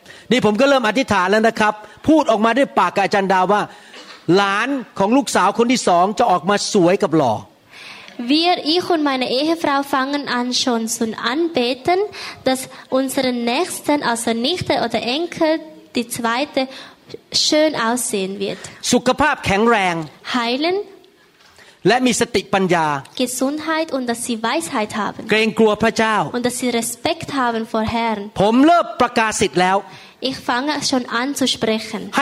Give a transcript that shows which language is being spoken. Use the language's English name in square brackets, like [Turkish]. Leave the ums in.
[Thai] นี่ผมก็เริ่มอธิษฐานแล้วนะครับ พูดออกมาด้วยปากกับอาจารย์ดาวว่าหลานของลูกสาวคนที่สองจะออกมาสวยกับหล่อ [German] Wir ich und meine Ehefrau fangen an schon zu anbeten, dass unsere Nächsten, also Nichte oder Enkel, die zweite schön aussehen wird. [Thai] สุขภาพแข็งแรง [German] Heilen [Thai] และมีสติปัญญา [German] Gesundheit und dass sie Weisheit haben. [Thai] เกร งกลัวพระเจ้า [German] Und dass sie Respekt haben vor Herrn. [Thai] ผมเลิกประกาศสิทธิ์แล้ว [German] Ich fange schon an zu sprechen.